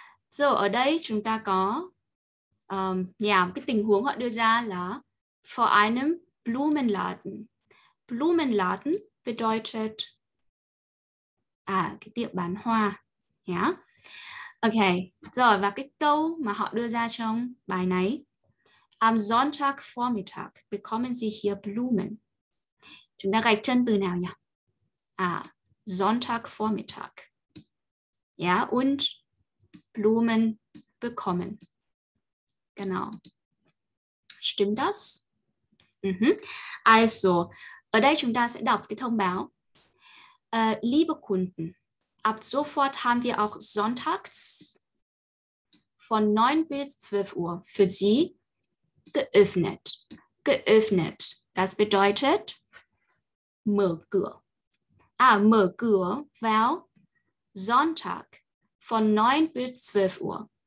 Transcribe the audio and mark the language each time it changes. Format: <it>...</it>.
<vi>Rồi, ở đây chúng ta có cái tình huống họ đưa ra là</vi> <de>vor einem Blumenladen.</de> <vi>Blumenladen bedeutet cái tiệm bán hoa. Ok, rồi và cái câu mà họ đưa ra trong bài này.</vi> <de>Am Sonntag Vormittag bekommen Sie hier Blumen.</de> <vi>Chúng ta gạch chân từ nào nhỉ?</vi> <de>Sonntag Vormittag. Und Blumen bekommen. Genau. Stimmt das?</de> <vi>Also, ở đây chúng ta sẽ đọc cái thông báo.</vi> <de>Liebe Kunden, ab sofort haben wir auch sonntags von 9 bis 12 Uhr für Sie geöffnet. Geöffnet, das bedeutet</de> <vi>mở cửa. Mở cửa vào</vi> <de>Sonntag von 9 bis 12 Uhr.</de>